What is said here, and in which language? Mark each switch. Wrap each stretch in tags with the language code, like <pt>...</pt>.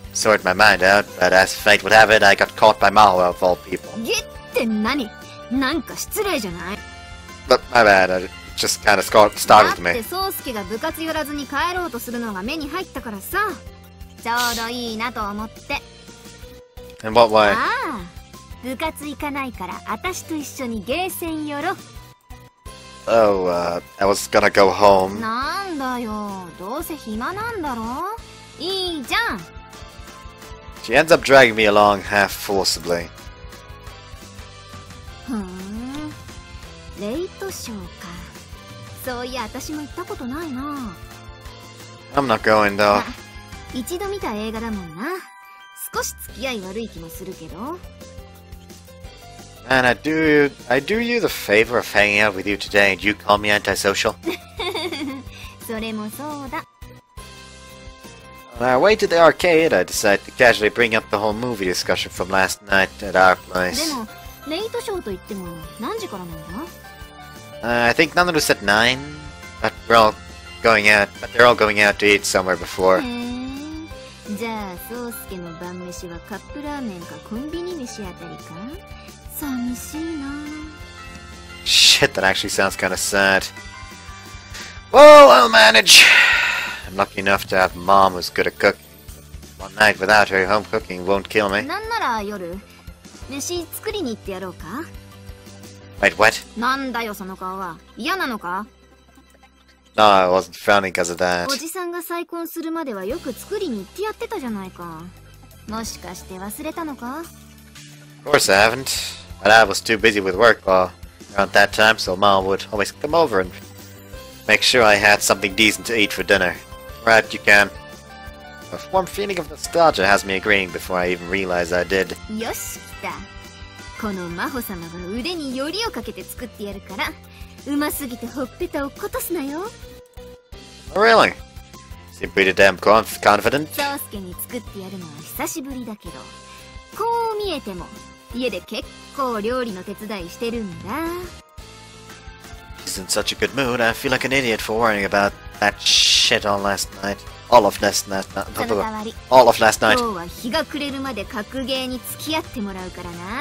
<en>sort my mind out, but as fate would have it, I got caught by Maho of all people.</en> <ja>Gettenani? Nanka shitsurei janai?</ja> <en>But my bad, I just kind of startled me. That's because Sosuke was going to leave the school without returning, so I caught my eye. In what way?</en> <ja>Ah, 部活行かないから私と一緒にゲーセン寄ろ。</ja> <en>Oh, I was gonna go home.</en> <ja>なんだよ、どうせ暇なんだろ。いいじゃん。</ja> <en>She ends up dragging me along half forcibly.</en> <ja>ふーん、レイトショーか。そういや、私も行ったことないな。</ja> <en>I'm not going though.</en> <ja>一度見た映画だもんな。少し付き合い悪い気もするけど。</ja> <en>Man, I do you the favor of hanging out with you today, and you call me antisocial?</en> <ja>それもそうだ。</ja> <en>On our way to the arcade, I decide to casually bring up the whole movie discussion from last night at our place.</en> <ja>でも、レイトショーといっても何時からなんだ？</ja> <en>I think Nanaru said 9, but they're all going out to eat somewhere before.</en> <ja>じゃあ、ソウスケの晩飯はカップラーメンかコンビニ飯あたりか？寂しいな。</ja> <en>Shit, that actually sounds kind of sad. Well, I'll manage. I'm lucky enough to have mom who's good at cooking. One night without her home cooking won't kill me.</en> <ja>なんなら夜、飯作りに行ってやろうか？</ja> <en>Wait, what?</en> <ja>なんだよその顔は。嫌なのか？</ja> <en>No, I wasn't frowning because of that.</en> <ja>おじさんが再婚するまではよく作りに行ってやってたじゃないか。もしかして忘れたのか？</ja> <en>Of course I haven't. But I was too busy with work around that time, so Mom would always come over and make sure I had something decent to eat for dinner. Right, you can. A warm feeling of nostalgia has me agreeing before I even realize I did.</en> <ja>よし、来た。このマホ様が腕によりをかけて作ってやるから。うますぎてほっぺたを落とすなよ。</ja> <en>Oh, really? Seem pretty damn confident.</en> <ja>ソウスケに作ってやるのは久しぶりだけど、こう見えても家で結構料理の手伝いしてるんだ。</ja> <en>She's in such a good mood. I feel like an idiot for worrying about that shit all last night. All of last night.</en> <ja>今日は日が暮れるまで格ゲーに付き合ってもらうからな。</ja>